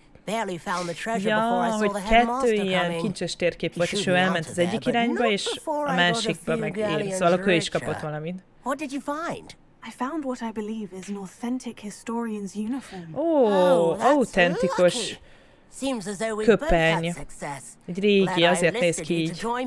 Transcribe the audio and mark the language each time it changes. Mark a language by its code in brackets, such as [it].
[en] Barely found the treasure before I saw the headmaster coming. [hu] Ilyen kincses térkép volt, és ő elment az egyik irányba, és a másikba meg én. Szóval akkor ő is kapott valamit. [en] What did you find? I found what I believe is an authentic historian's uniform. [hu] Oh, autentikus köpeny. Egy régi, azért néz ki így.